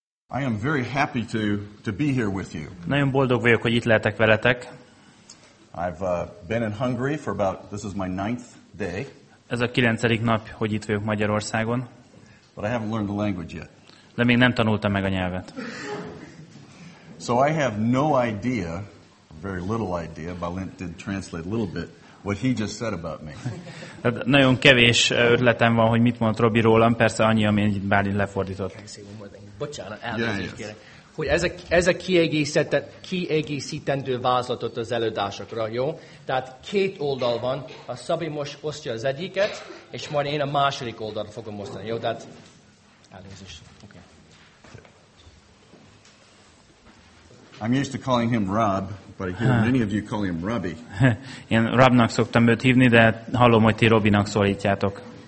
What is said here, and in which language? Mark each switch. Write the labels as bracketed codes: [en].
[en] I am very happy to be here with you. [hu] Nagyon boldog vagyok, hogy itt lehetek veletek. [en] I've been in Hungary for about, this is my ninth day. [hu] Ez a 9. nap, hogy itt vagyok Magyarországon. [en] But I haven't learned the language yet. [hu] De még nem tanultam meg a nyelvet. [en] So I have no idea, very little idea, Balint did translate a little bit, what he just said about me. [hu] Nagyon kevés ötletem van, hogy mit mondott Robi rólam, persze annyi, amit Balint lefordított. Bocsánat, elnézést kérek. Hogy ez a kiegészítendő vázlatot az előadásokra, jó? Tehát két oldal van, a Szabi most osztja az egyiket, és majd én a második oldalra fogom osztani, jó? Tehát elnézést. [en] I'm used to calling him Rob, but I hear many of you call him Robbie. [hu] Én Robnak szoktam őt hívni, de hallom, hogy ti Robinak szólítjátok.